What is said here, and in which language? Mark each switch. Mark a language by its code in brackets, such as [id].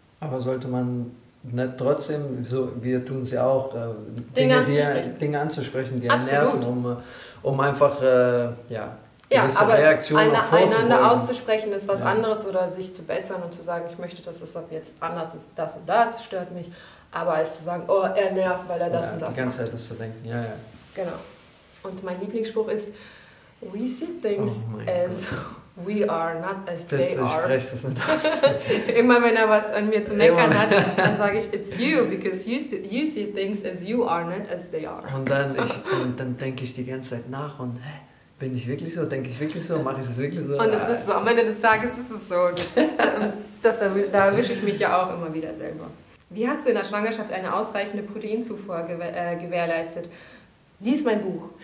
[de] Aber sollte man nicht trotzdem, so, wir tun es ja auch, Dinge anzusprechen, die einen nerven, um einfach gewisse aber Reaktionen vorzubeugen. Einander auszusprechen ist was anderes oder sich zu bessern und zu sagen, ich möchte, dass es ab jetzt anders ist, das und das stört mich. Aber als zu sagen, oh, er nervt, weil er das und das macht. Die ganze Zeit das zu denken, ja, ja. Genau. Und mein Lieblingsspruch ist, [en] we see things as we are, not as they are. [de] Du sprichst das nicht aus. Immer wenn er was an mir zu meckern hat, dann sage ich, [en] it's you, because you see things as you are, not as they are. [de] Und dann denke ich die ganze Zeit nach und, hä, bin ich wirklich so? Denke ich wirklich so? Mache ich das wirklich so? Und es ist so, am Ende des Tages ist es so. Da erwische ich mich ja auch immer wieder selber. Wie hast du in der Schwangerschaft eine ausreichende Proteinzufuhr gewährleistet? Lies mein Buch.